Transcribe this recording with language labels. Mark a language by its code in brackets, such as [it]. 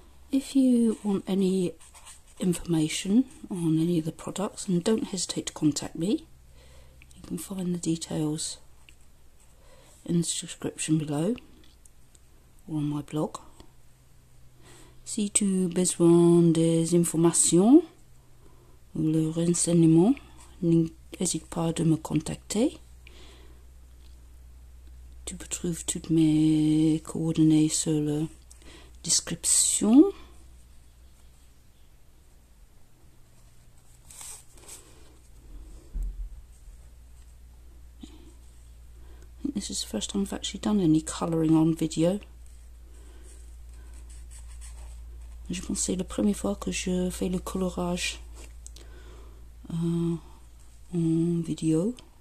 [en] If you want any information on any of the products, and don't hesitate to contact me, you can find the details in the description below or on my blog. [fr] Si tu besoin des informations ou le renseignement, n'hésite pas de me contacter. Tu peux trouver toutes mes coordonnées sur la description. [en] This is the first time I've actually done any colouring on video. [fr] Je pense que c'est la première fois que je fais le colorage en vidéo.